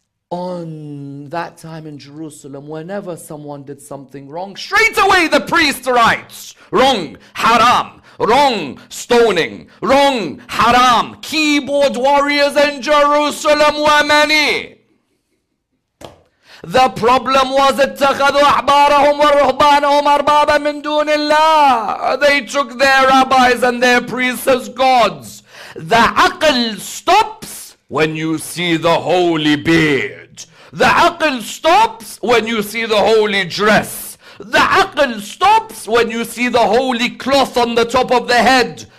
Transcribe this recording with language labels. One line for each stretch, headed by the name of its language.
English: On that time in Jerusalem, whenever someone did something wrong, straight away the priest writes, wrong, haram, wrong, stoning, wrong, haram. Keyboard warriors in Jerusalem were many. The problem was
Arabic: اتخذوا أحبارهم ورهبانهم أربابا من دون الله.
English: They took their rabbis and their priests as gods. The عقل stops when you see the holy beard. The عقل stops when you see the holy dress. The عقل stops when you see the holy cloth on the top of the head.